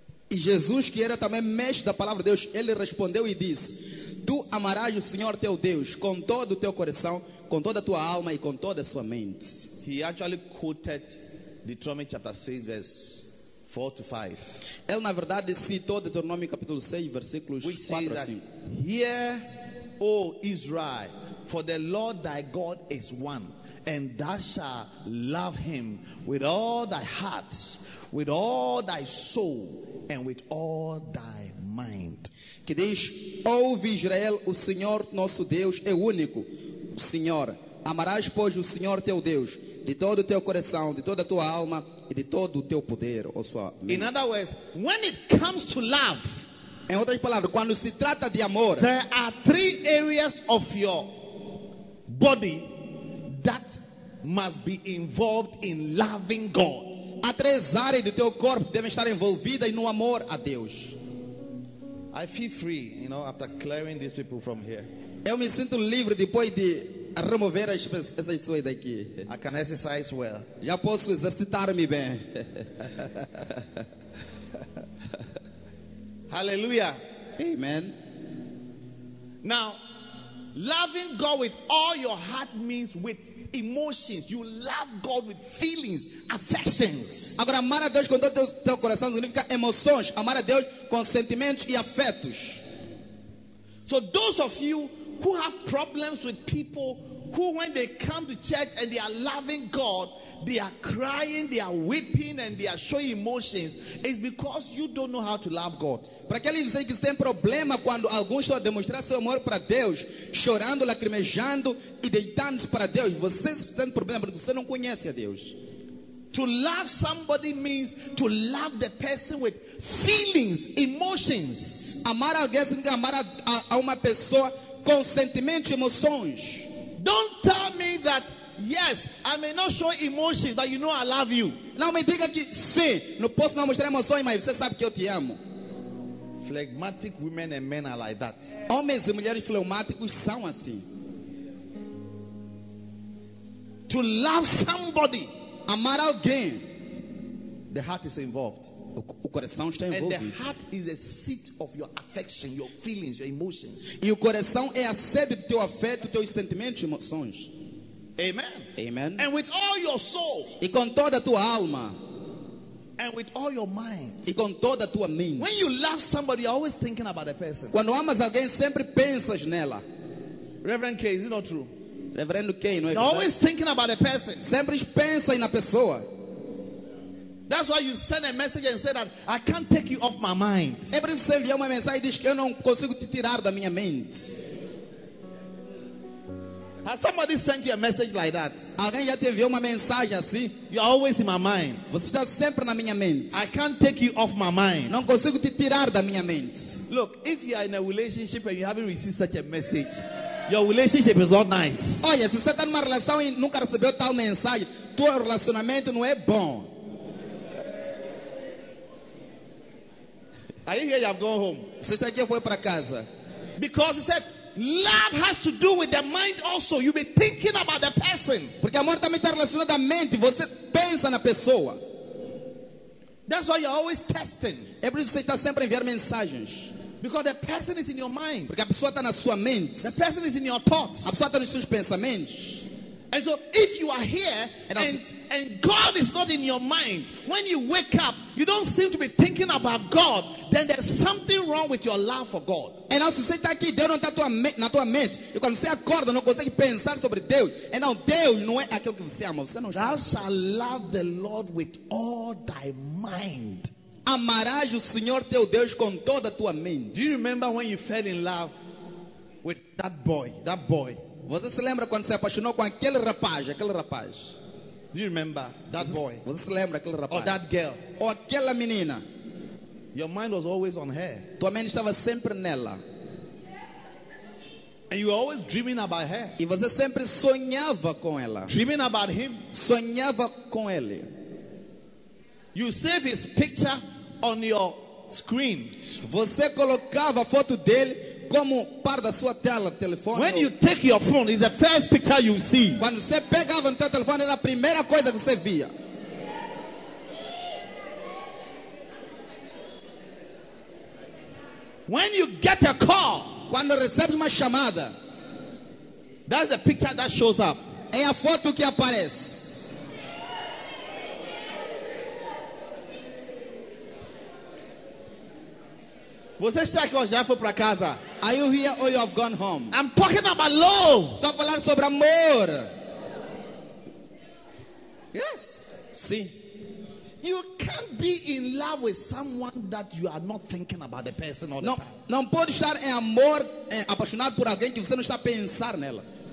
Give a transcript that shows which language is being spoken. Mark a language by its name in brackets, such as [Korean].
[Portuguese] E Jesus, que era também mestre da palavra de Deus, ele respondeu e disse: Tu amarás o Senhor teu Deus com todo o teu coração, com toda a tua alma e com toda a sua mente. [English] He actually quoted Deuteronomy chapter 6 verse 4 to 5. [Portuguese] Ele na verdade citou Deuteronômio capítulo 6 versículos 4 a 5. [English] Hear, O Israel, for the Lord thy God is one, and thou shalt love him with all thy heart, with all thy soul, and with all thy mind. [Portuguese] Que diz: Ouve Israel, o Senhor nosso Deus é único, Senhor. Amarás, pois, o Senhor teu Deus de todo o teu coração, de toda a tua alma e de todo o teu poder, ou sua mente. [English] In other words, when it comes to love, [Portuguese] em outras palavras, quando se trata de amor, [English] there are three areas of your body that must be involved in loving God. [Portuguese] Há três áreas do teu corpo que devem estar envolvidas no amor a Deus. [English] I feel free, you know, after clearing these people from here. [Portuguese] Eu me sinto livre depois de remover essas pessoas daqui. [English] I can exercise well. [Portuguese] Já posso exercitar-me bem. [English] Hallelujah. [Portuguese] Amen. [English] Now, loving God with all your heart means with emotions. You love God with feelings, affections. [Portuguese] Agora, amar a Deus com todo o teu coração significa emoções. Amar a Deus com sentimentos e afetos. [English] So those of you who have problems with people who, when they come to church and they are loving God, they are crying, they are weeping, and they are showing emotions, it's because you don't know how to love God. [Portuguese] Para aqueles que dizem que tem problema quando alguns estão a demonstrar seu amor para Deus, chorando, lacrimejando e deitando-se para Deus, vocês têm problema porque você não conhece a Deus. [English] To love somebody means to love the person with feelings, emotions. [Portuguese] Amar alguém significa amar a uma pessoa com sentimentos e emoções. [English] Don't tell me that, yes, I may not show emotions, but you know I love you. [Portuguese] Não me diga que sim, não posso não mostrar emoções, mas você sabe que eu te amo. [English] Phlegmatic women and men are like that. [Portuguese] Homens e mulheres fleumáticos são assim. [English] To love somebody, [Portuguese] amar alguém, [English] the heart is involved. [Portuguese] O coração está envolvido. [English] And the heart is the seat of your affection, your feelings, your emotions. [Portuguese] E o coração é a sede do teu afeto, teus sentimentos e emoções. [English] Amen. [Portuguese] Amen. [English] And with all your soul. [Portuguese] E com toda a tua alma. [English] And with all your mind. [Portuguese] E com toda a tua mente. [English] When you love somebody, you're always thinking about a person. [Portuguese] Quando amas alguém, sempre pensas nela. [English] Reverend K, is it not true? [Portuguese] Reverendo K, não é verdade? [English] You're always thinking about a person. [Portuguese] Sempre pensa na pessoa. [English] That's why you send a message and say that I can't take you off my mind. Every time you send me a message, [Portuguese] diz que eu não consigo te tirar da minha mente. [English] Has somebody sent you a message like that? [Portuguese] Alguém já te enviou uma mensagem assim? [English] You're always in my mind. [Portuguese] Você está sempre na minha mente. [English] I can't take you off my mind. [Portuguese] Não consigo te tirar da minha mente. [English] Look, if you are in a relationship and you haven't received such a message, your relationship is not nice. [Portuguese] Olha, se você está numa relação e nunca recebeu tal mensagem, teu relacionamento não é bom. [English] Are you here? You have gone home. [Portuguese] Você está aqui ou foi para casa? [English] Because he said, love has to do with the mind also. You be thinking about the person. [Portuguese] Porque amor também está relacionado à mente. Você pensa na pessoa. [English] That's why you're always testing. [Portuguese] É por isso que você está sempre a enviar mensagens. [English] Because the person is in your mind. [Portuguese] Porque a pessoa está na sua mente. [English] The person is in your thoughts. [Portuguese] A pessoa está nos seus pensamentos. [English] And so if you are here and God is not in your mind, when you wake up, you don't seem to be thinking about God, then there's something wrong with your love for God. And also say that [Portuguese] aqui, Deus não está na tua mente. [English] You can say [Portuguese] acorda, não consegue pensar sobre Deus. [English] And now [Portuguese] Deus não é aquilo que você ama. Você não [English] Thou shalt love the Lord with all thy mind. [Portuguese] Amarás o Senhor teu Deus com toda a tua mente. [English] Do you remember when you fell in love with that boy? That boy. [Portuguese] Você se lembra quando se apaixonou com aquele rapaz? Aquele rapaz. [English] Do you remember that boy? [Portuguese] Você se lembra aquele rapaz? [English] Or that girl? [Portuguese] Ou aquela menina? [English] Your mind was always on her. [Portuguese] Tua mente estava sempre nela. [English] And you were always dreaming about her. [Portuguese] E você sempre sonhava com ela. [English] Dreaming about him. [Portuguese] Sonhava com ele. [English] You save his picture on your screen. [Portuguese] Você colocava a foto dele como par da sua tela telefone. [English] When you take your phone, it's the first picture you see. [Portuguese] Quando você pegava o telefone, era a primeira coisa que você via. [English] When you get a call, [Portuguese] quando recebe uma chamada, [English] that's the picture that shows up. [Portuguese] É a foto que aparece. Você está aqui hoje, já foi para casa? [English] Are you here or you have gone home? I'm talking about love. [Portuguese] Estou falando sobre amor. [English] Yes. [Portuguese] Sim. [English] You can't be in love with someone that you are not thinking about the person all [Portuguese] não, [English] the time. [Portuguese] Não pode estar em amor, apaixonado por alguém que você não está a pensar nela.